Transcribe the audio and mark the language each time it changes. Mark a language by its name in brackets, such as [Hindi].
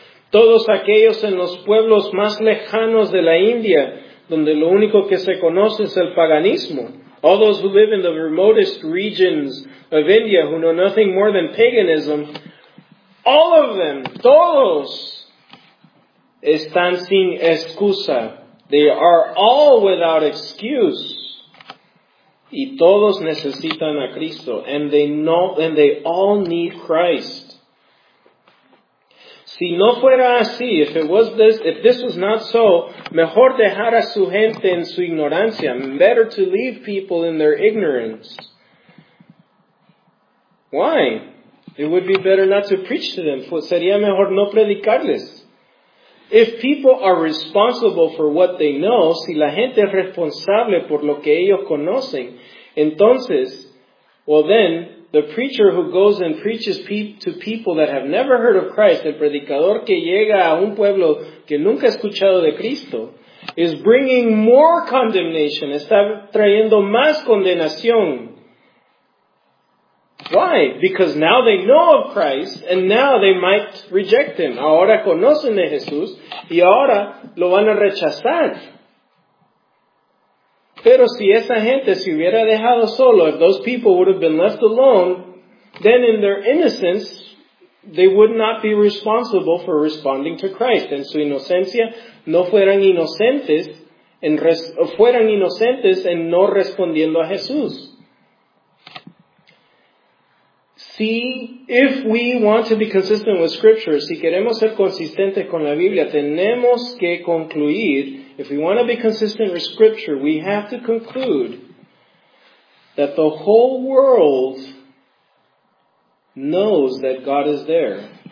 [Spanish] todos aquellos en los pueblos más lejanos de la India, donde lo único que se conoce es el paganismo, [English] all those who live in the remotest regions of India who know nothing more than paganism, all of them, [Spanish] todos, están sin excusa. [English] They are all without excuse. [Spanish] Y todos necesitan a Cristo. [English] And they all need Christ. [Spanish] Si no fuera así, [English] if this was not so, [Spanish] mejor dejar a su gente en su ignorancia. [English] Better to leave people in their ignorance. Why? It would be better not to preach to them. [Spanish] Sería mejor no predicarles. [English] If people are responsible for what they know, [Spanish] si la gente es responsable por lo que ellos conocen, [English] entonces, well then, the preacher who goes and preaches to people that have never heard of Christ, [Spanish] el predicador que llega a un pueblo que nunca ha escuchado de Cristo, [English] is bringing more condemnation, [Spanish] está trayendo más condenación. [English] Why? Because now they know of Christ, and now they might reject Him. [Spanish] Ahora conocen de Jesús, y ahora lo van a rechazar. Pero si esa gente se hubiera dejado solo, [English] if those people would have been left alone, then in their innocence, they would not be responsible for responding to Christ. [Spanish] En su inocencia, no fueran inocentes, fueran inocentes en no respondiendo a Jesús. [English] See, if we want to be consistent with Scripture, [Spanish] si queremos ser consistentes con la Biblia, tenemos que concluir, [English] if we want to be consistent with Scripture, we have to conclude that the whole world knows that God is there.